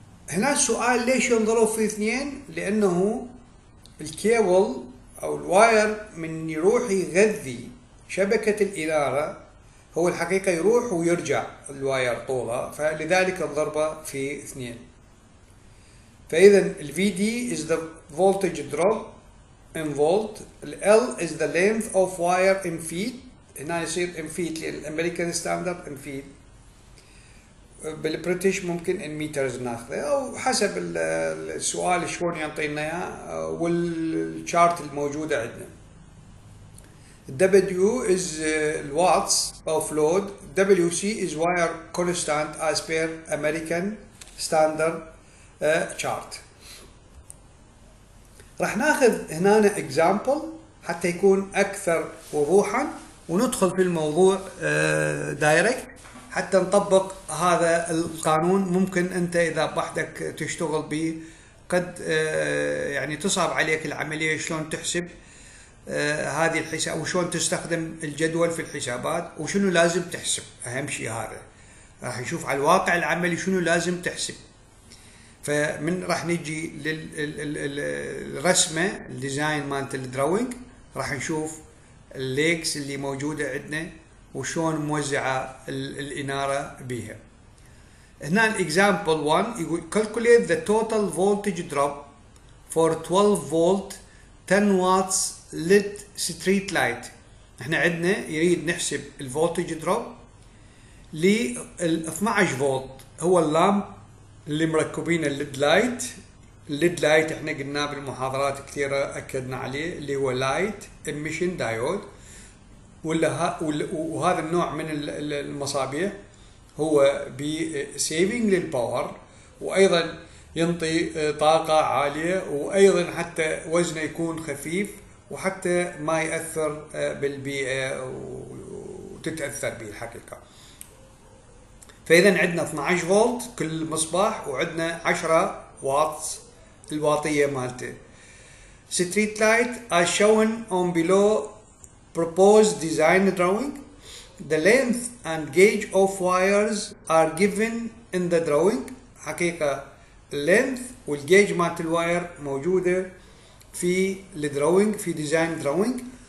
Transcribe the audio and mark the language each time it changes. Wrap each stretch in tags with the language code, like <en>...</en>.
<ar>هنا السؤال ليش ينضرب في 2؟ لانه الكيبل او الواير من يروح يغذي شبكة الإنارة هو الحقيقة يروح ويرجع الواير طوله، فلذلك الضربة في 2. فإذا ال</ar> <en>VD is the voltage drop in volt،</en> <ar>ال</ar> <en>L is the length of wire in feet،</en> <ar>هنا يصير in feet لأن الأمريكان ستاندرد in feet، بالبريتش ممكن in meters ناخذه أو حسب السؤال شلون يعطينا إياه والشارت الموجودة عندنا.</ar> <en>W is watts of load. WC is wire constant as per American standard chart.</en> <ar>راح ناخذ هنا example حتى يكون أكثر وضوحا، وندخل في الموضوع direct حتى نطبق هذا القانون. ممكن أنت إذا بحدك تشتغل به قد يعني تصعب عليك العملية، شلون تحسب هذه الحساب وشلون تستخدم الجدول في الحسابات وشنو لازم تحسب. اهم شيء هذا راح نشوف على الواقع العملي شنو لازم تحسب. فمن راح نجي للرسمه الديزاين مالت الدروينج راح نشوف الليكس اللي موجوده عندنا وشلون موزعه الاناره بها. هنا الاكزامبل 1 يقول</ar> <en>calculate the total voltage drop for 12 volt 10 watts LED street light.</en> <ar>احنا عندنا يريد نحسب الفولتج دروب لل 12 فولت، هو اللامب اللي مركبينه الليد لايت. الليد لايت احنا قلنا بالمحاضرات كثيره اكدنا عليه اللي هو لايت اميشن دايود، وهذا النوع من المصابيح هو بي سيفنج للباور، وايضا ينطي طاقه عاليه، وايضا حتى وزنه يكون خفيف وحتى ما يأثر بالبيئة وتتأثر به الحقيقة. فإذا عندنا 12 فولت كل مصباح وعندنا 10 واط الواطية مالته.</ar> <en>Street light as shown on below proposed design drawing. The length and gauge of wires are given in the drawing.</en> <ar>حقيقة length والجيج مالت الواير موجودة في الدروينج، في ديزاين دروينج.</ar>